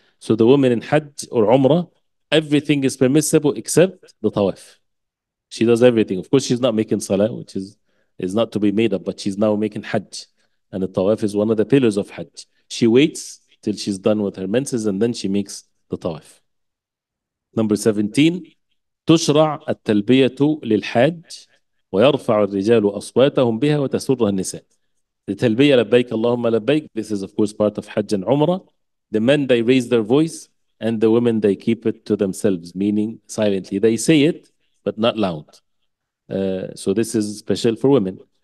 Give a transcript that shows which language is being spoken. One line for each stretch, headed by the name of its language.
English: So the woman in Hajj or Umrah, everything is permissible except the tawaf. She does everything. Of course, she's not making salah, which is not to be made up, but she's now making Hajj. And the tawaf is one of the pillars of Hajj. She waits till she's done with her menses and then she makes the tawaf. Number 17,
Arabic: تُشْرَعَ التَّلْبِيَةُ لِلْحَاجِ وَيَرْفَعُ الرِّجَالُ أَصْوَاتَهُمْ بِهَا وَتَسُرَّهَا النِّسَاءِ. The تَلْبِيَةَ لَبَّيْكَ اللَّهُمَّ لَبَّيْكَ.
English: This is of course part of Hajj and Umrah. The men, they raise their voice, and the women, they keep it to themselves, meaning silently. They say it, but not loud. So this is special for women.